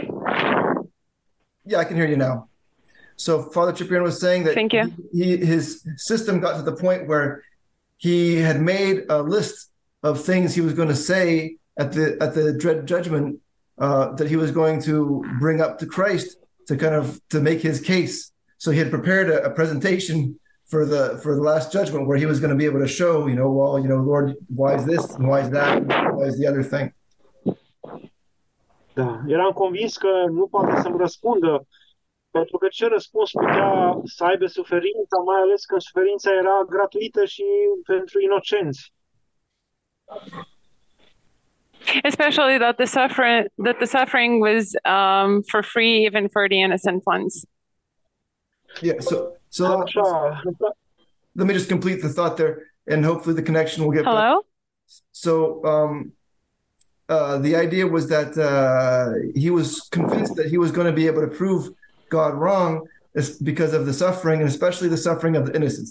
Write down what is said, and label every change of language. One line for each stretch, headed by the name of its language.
English: hear me? Yeah, I can hear you now. So Father Ciprian was saying that his system got to the point where he had made a list of things he was going to say at the dread judgment, that he was going to bring up to Christ to make his case. So he had prepared a presentation for the last judgment where he was going to be able to show, Lord, why is this and why is that and why is the other thing?
Romanian: Da, eram convins că nu poate să-mi răspundă, pentru că ce răspuns putea să aibă suferința, mai ales că suferința era gratuită și pentru inocenți.
English: Especially that the suffering was for free, even for the innocent ones. Yeah, so let me just complete the thought there, and hopefully the connection will get Hello? Better. So the idea was that he was convinced that he was going to be able to prove God wrong because of the suffering, and especially the suffering of the innocents.